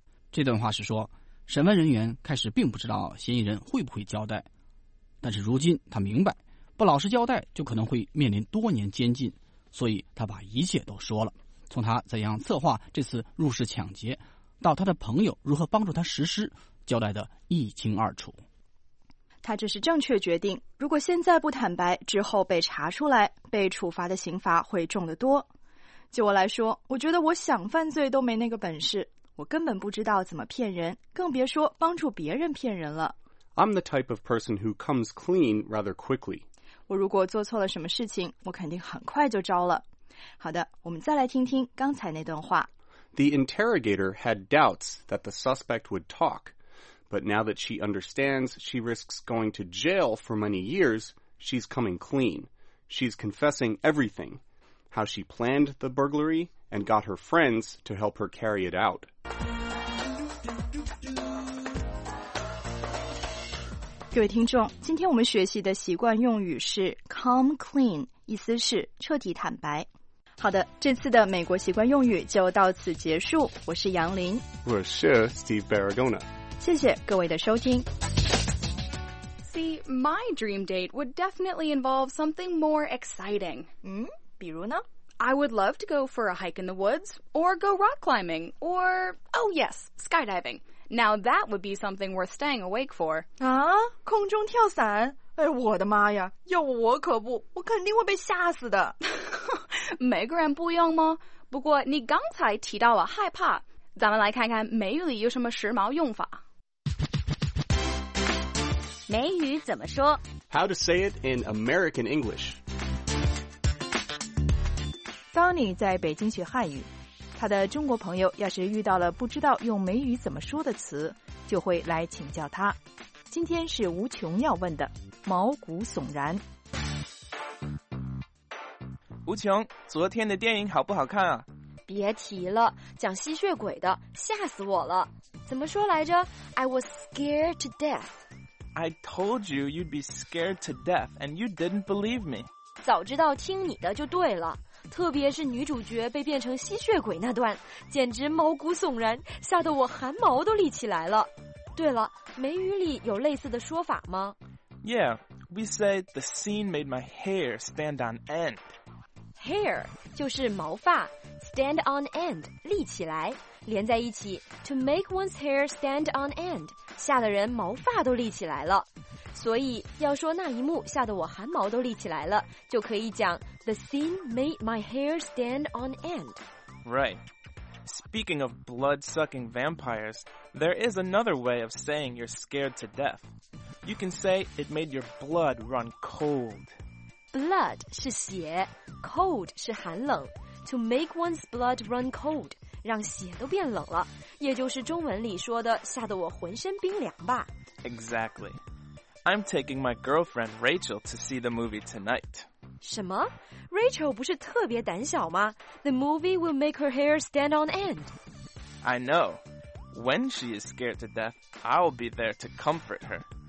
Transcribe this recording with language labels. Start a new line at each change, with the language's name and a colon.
Chinese: 这段话是说，审问人员开始并不知道嫌疑人会不会交代，但是如今他明白，不老实交代就可能会面临多年监禁，所以他把一切都说了。从他怎样策划这次入室抢劫，到他的朋友如何帮助他实施，交代得一清二楚。他这是正确决定，如果现在不坦白，之后被查出来，被处罚的刑罚会重得多。就我来说，我觉得我想犯罪都没那个本事，我根本不知道怎么骗人，更别说帮助别人骗人了。
English: I'm the type of person who comes clean rather quickly.
Chinese: 我如果做错了什么事情，我肯定很快就招了。好的，我们再来听听刚才那段话。
English: The interrogator had doubts that the suspect would talk, but now that she understands she risks going to jail for many years, she's coming clean. She's confessing everything, how she planned the burglary and got her friends to help her carry it out.
Chinese: 各位听众，今天我们学习的习惯用语是 come clean, 意思是彻底坦白。好的，这次的美国习惯用语就到此结束。我是杨林，我是 Steve Barragona。谢谢各位的收听。
English: See, my dream date would definitely involve something more exciting.
Chinese: 比如呢？
English: I would love to go for a hike in the woods, or go rock climbing, or, oh yes, skydiving. Now that would be something worth staying awake for.
Chinese: 啊，空中跳伞？哎，我的妈呀，要我可不，我肯定会被吓死的。每个人不一样吗？不过你刚才提到了害怕，咱们来看看美语里有什么时髦用法。美语怎么说？
English: How to say it in American English.
Chinese: 当你在北京学汉语，他的中国朋友要是遇到了不知道用美语怎么说的词，就会来请教他。今天是吴琼要问的，毛骨悚然。吴琼，昨天的电影好不好看啊？别提了，讲吸血鬼的，吓死我了。怎么说来着？
English: I was scared to death. I told you you'd be scared to death and you didn't believe me.
Chinese: 早知道听你的就对了，特别是女主角被变成吸血鬼那段，简直毛骨悚然，吓得我汗毛都立起来了。对了，美语里有类似的说法吗？
English: Yeah, we say the scene made my hair stand on end.
Chinese: Hair 就是毛发 ，stand on end 立起来，连在一起 ，
English: to make one's hair stand on end
Chinese: 吓得人毛发都立起来了。所以要说那一幕吓得我汗毛都立起来了，就可以讲
English: the scene made my hair stand on end。 Right. Speaking of blood-sucking vampires, there is another way of saying you're scared to death. You can say it made your blood run cold.
Chinese: Blood 是血 ，cold 是寒冷。
English: To make one's blood run cold，
Chinese: 让血都变冷了，也就是中文里说的吓得我浑身冰凉吧。
English: Exactly. I'm taking my girlfriend Rachel to see the movie tonight.
Chinese: 什么 ？
English: Rachel
Chinese: 不是特别胆小吗 ？
English: The movie will make her hair stand on end. I know. When she is scared to death, I'll be there to comfort her.